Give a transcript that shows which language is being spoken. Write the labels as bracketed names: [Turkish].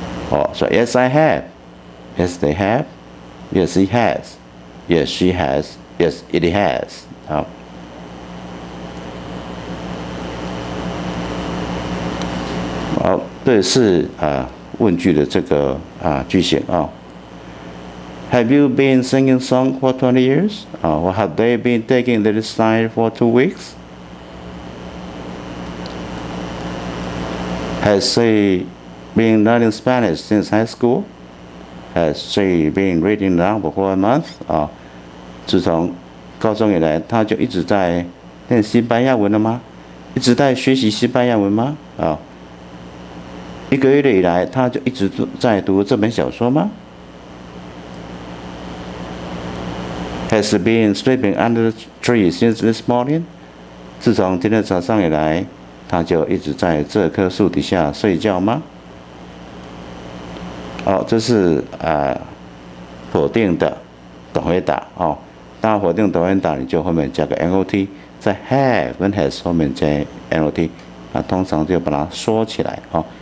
[English] 哦，说 yes I have, yes they have, yes he has, yes she has, yes it has 啊、哦。 [Chinese] 好、哦，这是啊问句的这个啊句型啊。 [English] 哦Have you been singing song for 20 years? Or have they been taking the sign for 2 weeks? Has she been learning Spanish since high school? Has she been reading novel for a month? [Chinese] 自从高中以来，他就一直在练西班牙文了吗？一直在学习西班牙文吗？一个月以来，他就一直在读这本小说吗？ [English] Has been sleeping under the tree since this morning. [Chinese] 自从今天早上以来，他就一直在这棵树底下睡觉吗？哦，这是否定的短回答哦。那否定短回答，你就后面加个 not， 在 have 跟 has 后面加 not， 啊，通常就把它说起来哦。